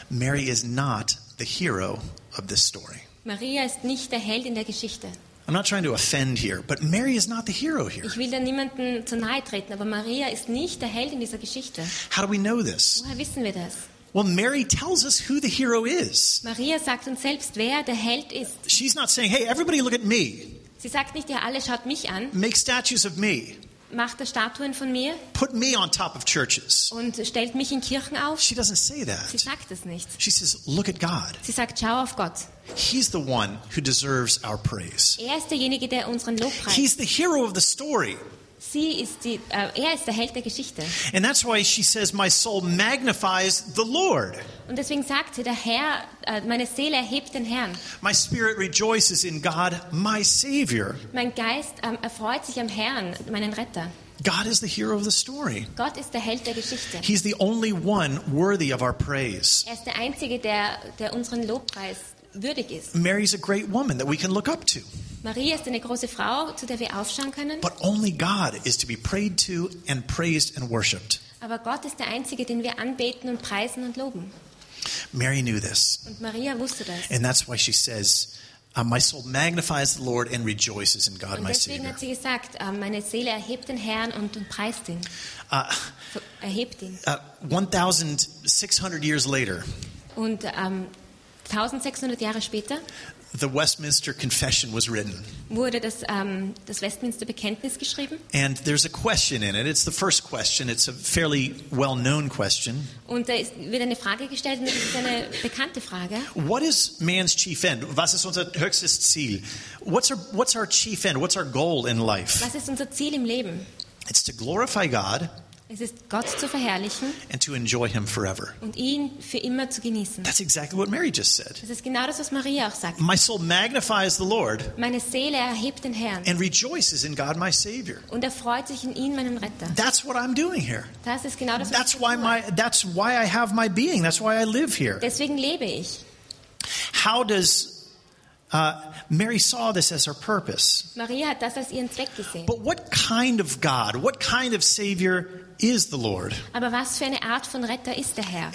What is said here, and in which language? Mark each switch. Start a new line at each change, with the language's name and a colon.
English: Mary is not the hero of this story.
German: Maria ist nicht der Held in der Geschichte.
English: I'm not trying to offend here, but Mary is not the hero here.
German: Ich will da niemanden zu nahe treten, aber Maria ist nicht der Held in dieser Geschichte.
English: How do we know this?
German: Woher wissen wir das?
English: Well, Mary tells us who the hero is.
German: Maria sagt uns selbst, wer der Held ist.
English: She's not saying, "Hey, everybody, look at me."
German: Sie sagt nicht, ja, alle schaut mich an.
English: Make statues of me.
German: Macht Statuen von mir.
English: Put me on top of churches.
German: Und stellt mich in Kirchen auf.
English: She doesn't say that.
German: Sie sagt es nicht.
English: She says, "Look at God."
German: Sie sagt, schau auf Gott.
English: He's the one who deserves our praise.
German: Er ist derjenige, der unseren Lob preist.
English: He's the hero of the story.
German: Er ist der Held der Geschichte.
English: And that's why she says, "My soul magnifies the Lord."
German: Und deswegen sagt sie, der Herr, meine Seele erhebt den Herrn.
English: My spirit rejoices in God, my Savior.
German: Mein Geist erfreut sich am Herrn, meinen Retter.
English: God is the hero of the story.
German: Gott ist der Held der Geschichte.
English: He's the only one worthy of our praise.
German: Er ist der einzige, der unseren Lobpreis würdig ist.
English: Mary's a great woman that we can look up to.
German: Maria ist eine große Frau, zu der wir aufschauen können.
English: But only God is to be prayed to and praised and worshipped.
German: Aber Gott ist der einzige, den wir anbeten und preisen und loben.
English: Mary knew this.
German: Und Maria wusste das.
English: And that's why she says, "My soul magnifies the Lord and rejoices in God, my Savior."
German: Und deswegen hat sie gesagt, meine Seele erhebt den Herrn und preist ihn. Erhebt ihn.
English: 1,600 years later.
German: Und 1,600 Jahre später.
English: The Westminster Confession was written.
German: Wurde das Westminster Bekenntnis geschrieben?
English: And there's a question in it. It's the first question. It's a fairly well-known question.
German: Und da wird eine Frage gestellt, und das ist eine bekannte Frage.
English: What is man's chief end?
German: Was ist unser höchstes Ziel?
English: What's our chief end? What's our goal in life?
German: Was ist unser Ziel im Leben?
English: It's to glorify God.
German: Es ist Gott zu verherrlichen
English: and to enjoy him forever.
German: Und ihn für immer zu genießen.
English: That's exactly what Mary just said.
German: Das ist genau das, was Maria auch sagt.
English: My soul magnifies the Lord.
German: Meine Seele erhebt den Herrn.
English: And rejoices in God, my Savior.
German: Und erfreut sich in ihn, meinen Retter.
English: That's what I'm doing here.
German: Das ist genau das, was
English: that's
German: ich
English: why
German: tue.
English: That's why I have my being. That's why I live here.
German: Deswegen lebe ich.
English: How does Mary saw this as her purpose?
German: Maria hat das als ihren Zweck gesehen.
English: But what kind of God? What kind of Savior? Is the Lord.
German: Aber was für eine Art von Retter ist der Herr?